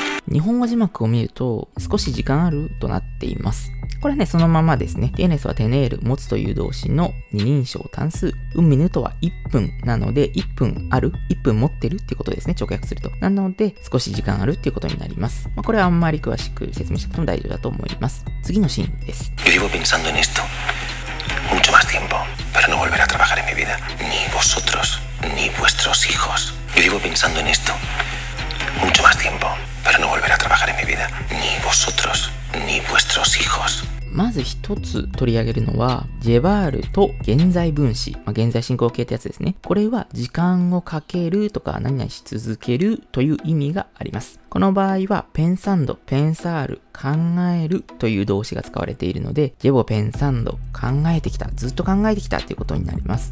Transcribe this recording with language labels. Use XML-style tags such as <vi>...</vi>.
<ja>日本語字幕を見ると、少し時間あるとなっています。これはね、そのままですね。tienes はテネール、持つという動詞の二人称単数、 un minuto は1分なので、1分ある、1分持ってるっていうことですね、直訳すると。なので、少し時間あるっていうことになります。まあ、これはあんまり詳しく説明しても大丈夫だと思います。次のシーンです。</ja> <es>yo llevo pensando en esto mucho más tiempo para no volver a trabajar en mi vida ni vosotros ni vuestros hijos yo llevo pensando en esto mucho más tiempo para no volver a trabajar en mi vida ni vosotros ni vuestros hijos。</es> <ja>まず一つ取り上げるのは、ジェバールと現在分詞、まあ、現在進行形ってやつですね。これは時間をかけるとか、何々し続けるという意味があります。この場合はペンサンド、ペンサール、考えるという動詞が使われているので、ジェボペンサンド、考えてきた、ずっと考えてきたということになります。</ja>